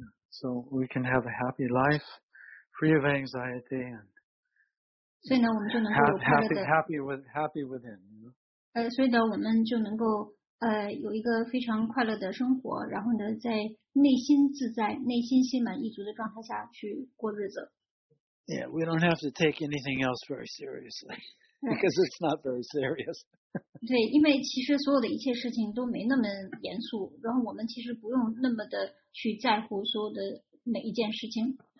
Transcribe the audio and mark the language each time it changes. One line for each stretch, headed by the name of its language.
English: So we can have a happy life, free of anxiety, and
Chinese: 所以呢，我们就能够有快乐的
English: happy within. You know?
Chinese: 所以呢，我们就能够有一个非常快乐的生活，然后呢，在内心自在、内心心满意足的状态下去过日子。
English: Yeah, we don't have to take anything else very seriously because it's not very serious.
Chinese: 对，因为其实所有的一切事情都没那么严肃，然后我们其实不用那么的去在乎所有的每一件事情。